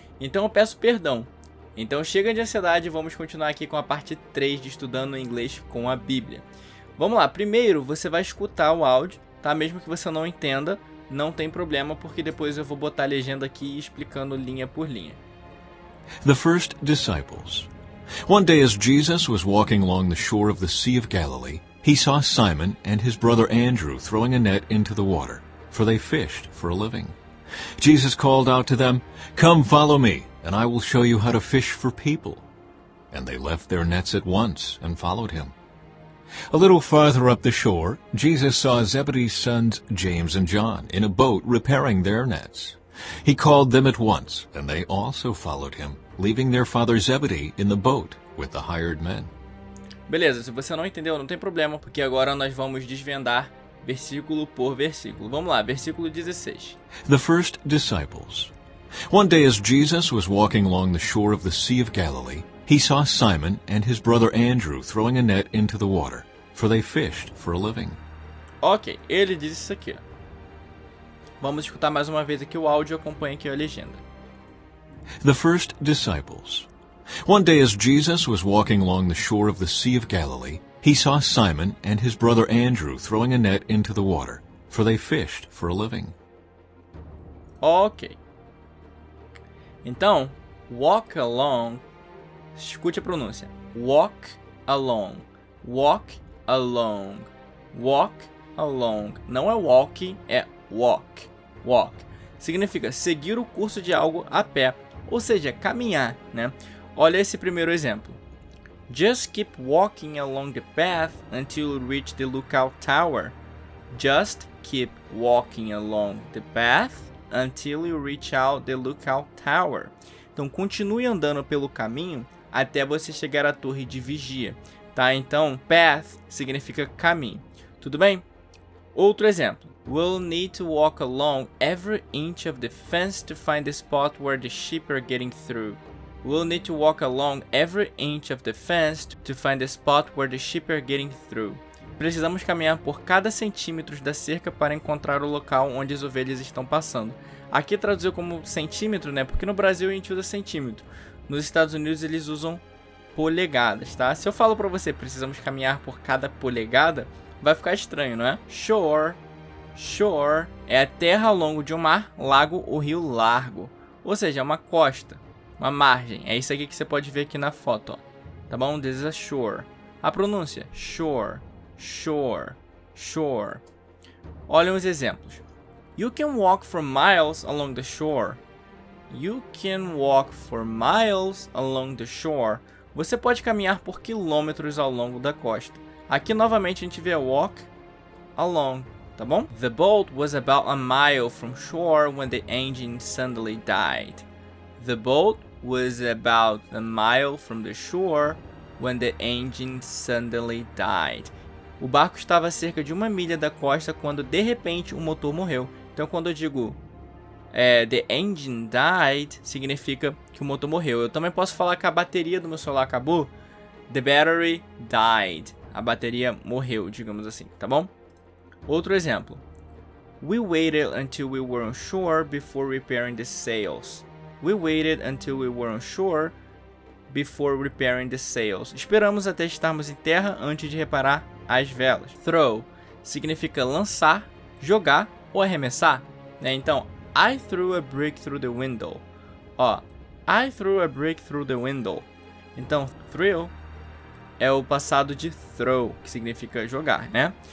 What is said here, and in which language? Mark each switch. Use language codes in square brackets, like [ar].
[pt] Então eu peço perdão. Então chega de ansiedade e vamos continuar aqui com a parte 3 de estudando inglês com a Bíblia. Vamos lá, primeiro você vai escutar o áudio, tá? Mesmo que você não entenda, não tem problema, porque depois eu vou botar a legenda aqui explicando linha por linha. [en] The first disciples. One day as Jesus was walking along the shore of the Sea of Galilee, he saw Simon and his brother Andrew throwing a net into the water, for they fished for a living. Jesus called out to them, "Come, follow me, and I will show you how to fish for people." And they left their nets at once and followed him. A little farther up the shore, Jesus saw Zebedee's sons James and John in a boat repairing their nets. He called them at once, and they also followed him, leaving their father Zebedee in the boat with the hired men. [pt] Beleza, se você não entendeu, não tem problema, porque agora nós vamos desvendar versículo por versículo. Vamos lá, versículo 16. [en] The first disciples. One day as Jesus was walking along the shore of the Sea of Galilee, he saw Simon and his brother Andrew throwing a net into the water, for they fished for a living. [pt] Ok, ele diz isso aqui. Vamos escutar mais uma vez aqui o áudio e acompanha aqui a legenda. [en] The first disciples. One day as Jesus was walking along the shore of the Sea of Galilee, he saw Simon and his brother Andrew throwing a net into the water, for they fished for a living. [pt] Ok. Então, walk along. Escute a pronúncia. [en] Walk along. Walk along. Walk along. [pt] Não é [en] walk, é walk. Walk. [pt] Significa seguir o curso de algo a pé, ou seja, caminhar, né? Olha esse primeiro exemplo. [en] Just keep walking along the path until you reach the lookout tower. Just keep walking along the path until you reach out the lookout tower. [pt] Então, continue andando pelo caminho até você chegar à torre de vigia, tá? Então, path significa caminho. Tudo bem? Outro exemplo. We'll need to walk along every inch of the fence to find the spot where the sheep are getting through. We'll need to walk along every inch of the fence to find the spot where the sheep are getting through. Precisamos caminhar por cada centímetro da cerca para encontrar o local onde as ovelhas estão passando. Aqui traduziu como centímetro, né? Porque no Brasil a gente usa centímetro. Nos Estados Unidos eles usam polegadas, tá? Se eu falo para você, precisamos caminhar por cada polegada, vai ficar estranho, não é? Shore. Shore é a terra ao longo de um mar, lago ou rio largo. Ou seja, é uma costa, uma margem. É isso aqui que você pode ver aqui na foto, ó. Tá bom? [en] This is a shore. [pt] A pronúncia. Shore. Shore. Shore. Olha uns exemplos. [en] You can walk for miles along the shore. You can walk for miles along the shore. [pt] Você pode caminhar por quilômetros ao longo da costa. Aqui, novamente, a gente vê walk along. Tá bom? [en] The boat was about a mile from shore when the engine suddenly died. The boat was about a mile from the shore when the engine suddenly died. [pt] O barco estava a cerca de uma milha da costa quando, de repente, o motor morreu. Então, quando eu digo [en] the engine died, [pt] significa que o motor morreu. Eu também posso falar que a bateria do meu celular acabou. [en] The battery died. [pt] A bateria morreu, digamos assim, tá bom? Outro exemplo. [en] We waited until we were on shore before repairing the sails. We waited until we were on shore before repairing the sails. [pt] Esperamos até estarmos em terra antes de reparar as velas. Throw significa lançar, jogar ou arremessar, né? [en] Então, I threw a brick through the window. Ó, I threw a brick through the window. [pt] Então, throw é o passado de throw, que significa jogar, né?